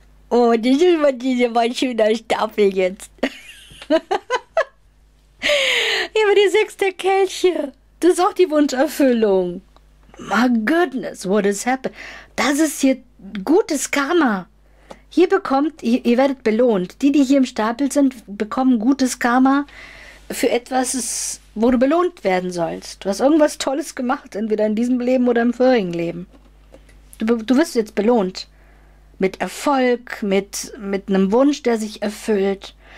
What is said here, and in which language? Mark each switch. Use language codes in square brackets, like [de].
[de] Oh, das ist mal dieser schöne Stapel jetzt. Hier haben wir die 6 der Kelche. Das ist auch die Wunscherfüllung. [en] My goodness, what has happened? [de] Das ist hier gutes Karma. Hier bekommt, ihr werdet belohnt. Die hier im Stapel sind, bekommen gutes Karma für etwas, wo du belohnt werden sollst. Du hast irgendwas Tolles gemacht, entweder in diesem Leben oder im vorigen Leben. Du wirst jetzt belohnt. Mit Erfolg, mit einem Wunsch, der sich erfüllt.